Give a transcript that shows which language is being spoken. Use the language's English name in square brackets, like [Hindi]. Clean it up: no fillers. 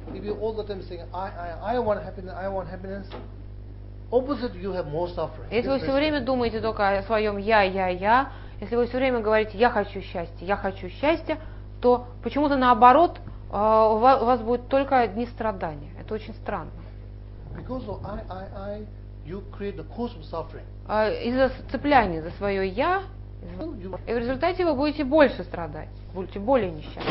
[English] If you all the time saying I want happiness, I want happiness, opposite you have more suffering. [Russian] Если вы все время думаете только о своем я, если вы все время говорите я хочу счастья, то почему-то наоборот у вас будет только одни страдания. Это очень странно. [English] Because of I, you create the cause of suffering. [Russian] Из-за цепляния за свое я, и в результате вы будете больше страдать, будете более несчастны.